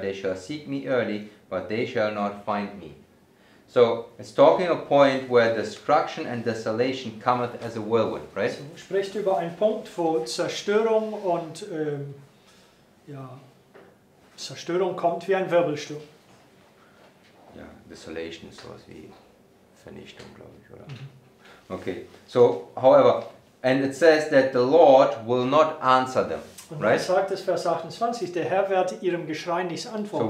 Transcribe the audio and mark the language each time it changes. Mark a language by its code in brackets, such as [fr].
[en] They shall seek me early, but they shall not find me. So it's talking a point where destruction and desolation cometh as a whirlwind, right? [de] Es spricht über einen Punkt, wo Zerstörung und Zerstörung kommt wie ein Wirbelsturm. Ja, desolation ist sowas wie Vernichtung, glaube ich, oder? [en] Mm-hmm. Okay. So, however, and it says that the Lord will not answer them. [de] Und [en] right? [de] Es sagt es Vers 28, der Herr wird ihrem Geschrei nicht antworten.